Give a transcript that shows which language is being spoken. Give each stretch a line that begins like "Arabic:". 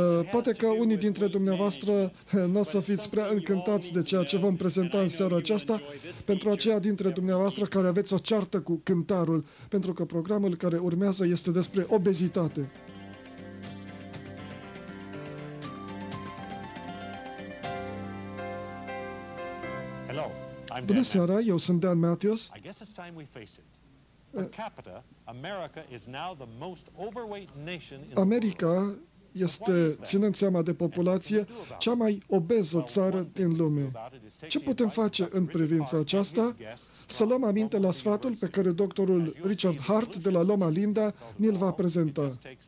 Romanian: Poate că unii dintre dumneavoastră nu o să fiți prea încântați de ceea ce vom prezenta în seara aceasta, pentru aceia dintre dumneavoastră care aveți o ceartă cu cântarul, pentru că programul care urmează este despre obezitate. Bună seara, eu sunt Dan Matthews.
English: I guess it's time we face it. Per capita, America is now the most overweight nation in the world.
Romanian: America este, ținând seama de populație, cea mai obeză țară din lume. Ce putem face în privința aceasta? Să luăm aminte la sfatul pe care doctorul Richard Hart de la Loma Linda ne-l va prezenta.